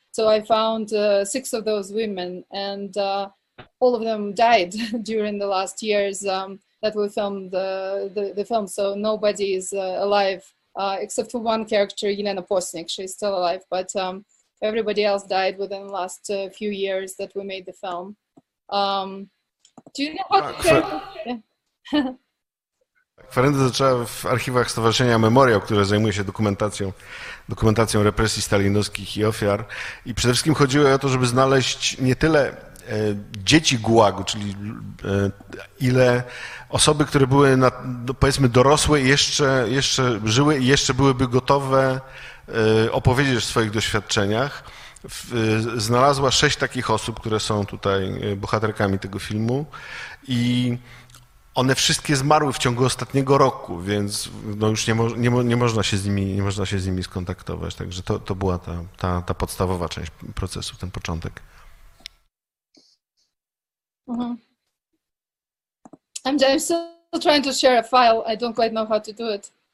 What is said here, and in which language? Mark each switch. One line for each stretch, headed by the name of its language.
English: So I found six of those women, and all of them died during the last years that we filmed the film. So nobody is alive, except for one character, Yelena Posnik. She's still alive, but everybody else died within the last few years that we made the film. Do you know how to care?
Polish: Kwerendy zaczęła w archiwach Stowarzyszenia Memoriał, które zajmuje się dokumentacją represji stalinowskich i ofiar. I przede wszystkim chodziło o to, żeby znaleźć nie tyle dzieci gułagu, czyli ile osoby, które były, powiedzmy, dorosłe i jeszcze żyły i jeszcze byłyby gotowe opowiedzieć o swoich doświadczeniach. Znalazła 6 takich osób, które są tutaj bohaterkami tego filmu. I one wszystkie zmarły w ciągu ostatniego roku, więc no już nie można się z nimi skontaktować. Także to była ta podstawowa część procesu, ten początek.
English: I'm still trying to share a file. I don't quite know how to do it.